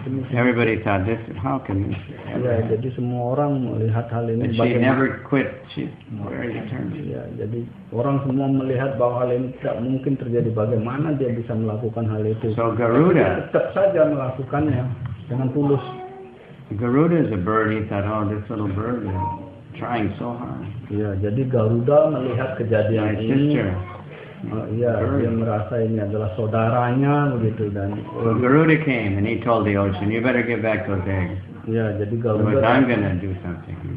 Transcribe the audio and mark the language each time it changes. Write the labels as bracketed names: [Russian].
[English] Everybody thought, this, how can this [Indonesian] jadi semua orang melihat hal ini. [English] But she never quit. She's very determined. [Indonesian] Yeah, jadi orang semua melihat bahwa hal ini tidak mungkin terjadi. Bagaimana dia bisa melakukan hal itu? [English] So Garuda. [Indonesian] Tetap saja melakukannya dengan tulus. [English] Garuda is a bird. He thought, oh, this little bird is trying so hard. [Indonesian] Yeah, jadi Garuda melihat kejadian ini. [English] Sister. [Indonesian] Dia merasa ini adalah saudaranya begitu dan. [English] Well, Garuda came and he told the ocean, "You better give back those eggs." [Indonesian] Jadi Garuda. [English] Because I'm gonna do something.